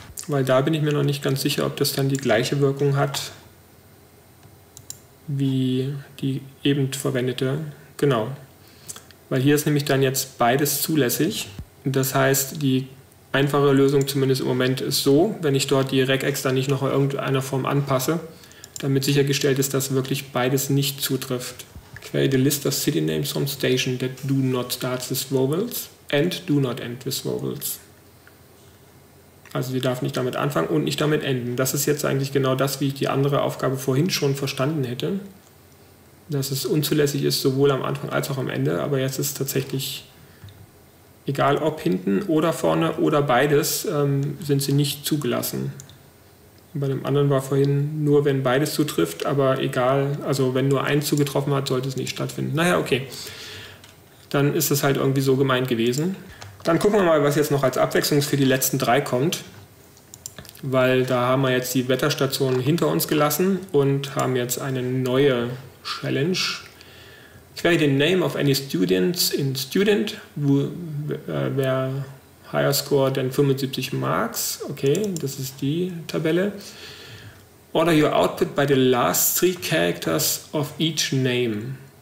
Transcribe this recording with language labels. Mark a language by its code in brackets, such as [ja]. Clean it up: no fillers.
[de] Weil da bin ich mir noch nicht ganz sicher, ob das dann die gleiche Wirkung hat, wie die eben verwendete. Genau. Weil hier ist nämlich dann jetzt beides zulässig. Das heißt, die einfache Lösung zumindest im Moment ist so, wenn ich dort die Regex dann nicht noch in irgendeiner Form anpasse, damit sichergestellt ist, dass wirklich beides nicht zutrifft. [en] Create the list of city names from station that do not start with vowels and do not end with vowels. [de] Also sie darf nicht damit anfangen und nicht damit enden. Das ist jetzt eigentlich genau das, wie ich die andere Aufgabe vorhin schon verstanden hätte. Dass es unzulässig ist, sowohl am Anfang als auch am Ende, aber jetzt ist tatsächlich... Egal ob hinten oder vorne oder beides, sind sie nicht zugelassen. Bei dem anderen war vorhin nur, wenn beides zutrifft, aber egal, also wenn nur ein zugetroffen hat, sollte es nicht stattfinden. Naja, okay. Dann ist es halt irgendwie so gemeint gewesen. Dann gucken wir mal, was jetzt noch als Abwechslung für die letzten drei kommt. Weil da haben wir jetzt die Wetterstation hinter uns gelassen und haben jetzt eine neue Challenge. [en] Query the name of any students in student, where higher score than 75 marks. [de] Okay, das ist die Tabelle. [en] Order your output by the last three characters of each name.